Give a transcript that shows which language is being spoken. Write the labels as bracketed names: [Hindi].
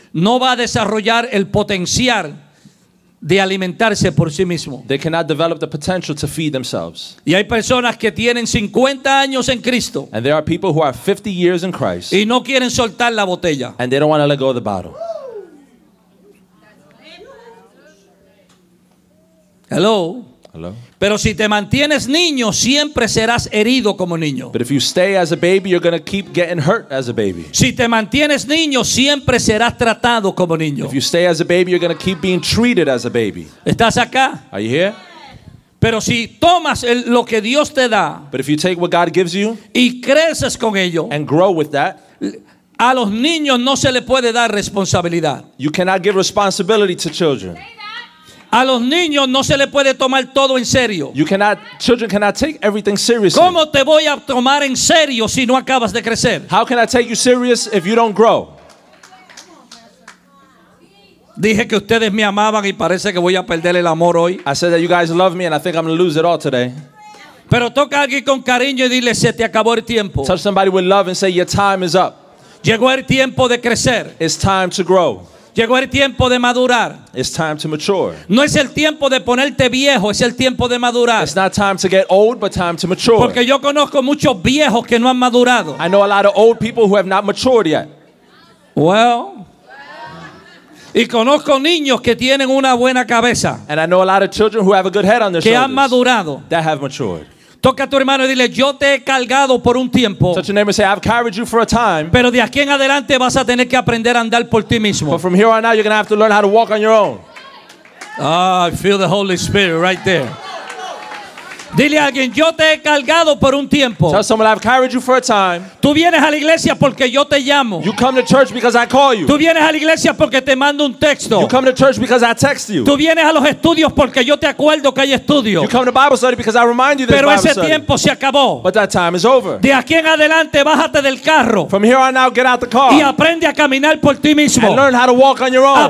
[Spanish] no va a desarrollar el potencial de alimentarse por sí mismo. [English] They cannot develop the potential to feed themselves. [Spanish] Y hay personas que tienen 50 años en Cristo. [English] And there are people who are 50 years in Christ. [Spanish] Y no quieren soltar la botella. [English] And they don't want to let go of the bottle. Hello. Hello. [Spanish] Pero si te mantienes niño, siempre serás herido como niño. [English] But if you stay as a baby, you're going to keep getting hurt as a baby. [Spanish] Si te mantienes niño, siempre serás tratado como niño. [English] If you stay as a baby, you're going to keep being treated as a baby. [Spanish] ¿Estás acá? [English] Are you here? [Spanish] Pero si tomas lo que Dios te da, [English] but if you take what God gives you, [Spanish] y creces con ello, [English] and grow with that, [Spanish] a los niños no se le puede dar responsabilidad. [English] You cannot give responsibility to children. [Spanish] A los niños no se le puede tomar todo en serio. [English] You cannot, children cannot take everything seriously. [Spanish] ¿Cómo te voy a tomar en serio si no acabas de crecer? [English] How can I take you serious if you don't grow? [Spanish] Dije que ustedes me amaban y parece que voy a perder el amor hoy. [English] I said that you guys love me and I think I'm going to lose it all today. [Spanish] Pero toca a alguien con cariño y dile, se te acabó el tiempo. [English] Touch somebody with love and say, your time is up. [Spanish] Llegó el tiempo de crecer. [English] It's time to grow. [Spanish] Llegó el tiempo de madurar. [English] It's time to mature. [Spanish] No es el tiempo de ponerte viejo, es el tiempo de madurar. [English] It's not time to get old, but time to mature. [Spanish] Porque yo conozco muchos viejos que no han madurado. [English] I know a lot of old people who have not matured yet. [Spanish] Well, y conozco niños que tienen una buena cabeza. [English] And I know a lot of children who have a good head on their [Spanish] que [English] shoulders. [Spanish] Que han madurado. [English] That have matured. [Spanish] Toca a tu hermano y dile, yo te he cargado por un tiempo. [English] Touch your neighbor and say, I've carried you for a time. [Spanish] Pero de aquí en adelante vas a tener que aprender a andar por ti mismo. [English] But from here on out, you're going to have to learn how to walk on your own. Ah, I feel the Holy Spirit right there. [Spanish] Dile a alguien, yo te he cargado por un tiempo. [English] Tell someone, I've carried you for a time. [Spanish] Tú vienes a la iglesia porque yo te llamo. [English] You come to church because I call you. [Spanish] Tú vienes a la iglesia porque te mando un texto. [English] You come to church because I text you. [Spanish] Tú vienes a los estudios porque yo te acuerdo que hay estudios. [English] You come to Bible study because I remind you that Bible study. [Spanish] Pero ese tiempo se acabó. [English] But that time is over. [Spanish] De aquí en adelante, bájate del carro. [English] From here on out, get out the car. [Spanish] Y aprende a caminar por ti mismo. [English] And learn how to walk on your own.